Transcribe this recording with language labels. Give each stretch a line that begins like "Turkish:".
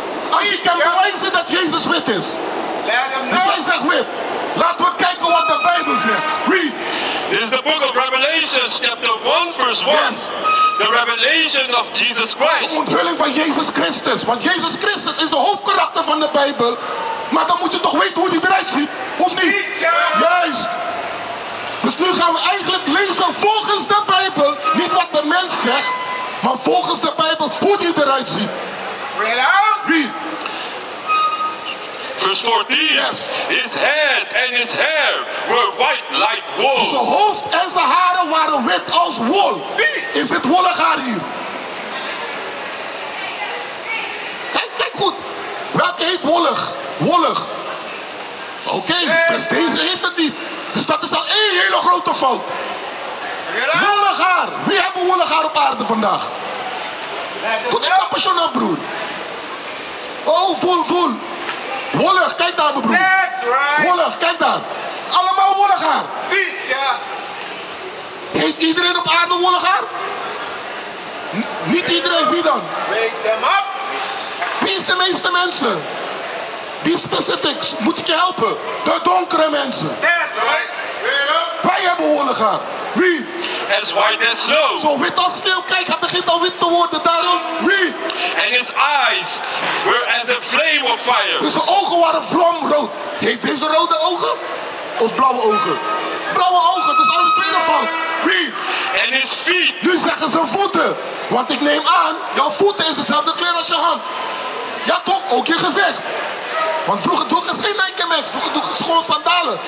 Dutch: Als je kan bewijzen dat Jezus wit is. Dus hij zegt wit. Laten we kijken wat de Bijbel zegt.
English: Read. This is the book of Revelation, chapter 1, verse 1. Yes. The revelation of Jesus Christ.
Dutch: De onthulling van Jezus Christus. Want Jezus Christus is de hoofdkarakter van de Bijbel. Maar dan moet je toch weten hoe hij eruit ziet. Of niet? Juist. Dus nu gaan we eigenlijk lezen volgens de Bijbel. Niet wat de mens zegt. Maar volgens de Bijbel hoe hij eruit ziet.
English: Read. Verse 14. Yes. His head and his hair were white like wool.
Dutch: Zijn hoofd en zijn haren waren wit als wol. Is het wollig haar hier? Kijk goed. Welke heeft wollig? Wollig. Oké. Dus deze heeft het niet. Dus dat is al één hele grote fout. Wollig haar. Wie hebben wollig haar op aarde vandaag? Doe die capuchon af, broer. Oh, vol. Wollig, kijk daar, mijn broer.
English: That's right.
Dutch: Wollig, kijk daar. Allemaal wollig haar. Niet, ja. Heeft iedereen op aarde wollig haar? Niet iedereen, wie dan?
English: Make them up.
Dutch: Wie is de meeste mensen? Die specifics moet ik je helpen. De donkere mensen.
English: That's right.
Dutch: Wij hebben wollig haar. Read.
English: As white as snow.
Dutch: Zo wit als sneeuw. Kijk, hij begint al wit te worden. Daarom, read.
English: And his eyes were as a flame of fire.
Dutch: Dus zijn ogen waren vlamrood. Heeft deze rode ogen? Of blauwe ogen? Blauwe ogen, dat is al de tweede fout. Read.
English: And his his feet.
Dutch: Nu zeggen ze voeten, want ik neem aan, jouw voeten is dezelfde kleur als je hand. Ja toch, ook je gezicht. Want vroeger droeg hij geen Nike Max, vroeger droeg hij gewoon sandalen.